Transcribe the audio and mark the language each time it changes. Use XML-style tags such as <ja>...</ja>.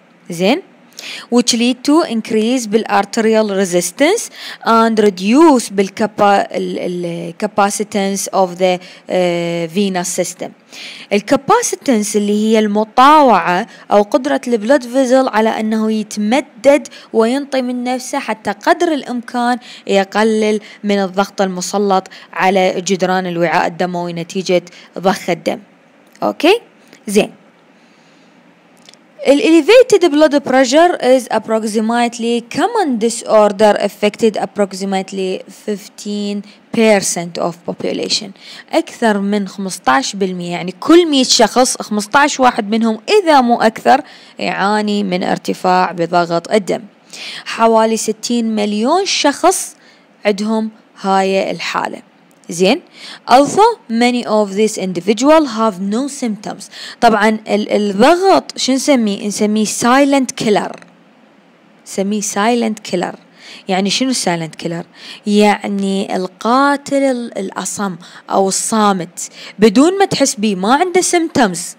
<en>زين، which lead to increase بالarterial resistance and reduce بالcapacitance of the venous system.</en> <ar>الcapacitance اللي هي المطاوعة أو قدرة البلود فيزل على أنه يتمدد وينطي من نفسه حتى قدر الإمكان يقلل من الضغط المسلط على جدران الوعاء الدموي نتيجة ضخ الدم. أوكي، زين.</ar> <en>Elevated blood pressure is approximately common disorder affected approximately 15% of population.</en> <ar>أكثر من 15%، يعني كل 100 شخص 15 واحد منهم إذا مو أكثر يعاني من ارتفاع بضغط الدم. حوالي 60 مليون شخص عندهم هاي الحالة.</ar> <en>زين، although many of these individuals have no symptoms.</en> <ar>طبعا الضغط شو نسميه؟ نسميه silent killer. نسميه silent killer، يعني شنو silent killer؟ يعني القاتل الأصم أو الصامت، بدون ما تحس بيه، ما عنده symptoms،</ar>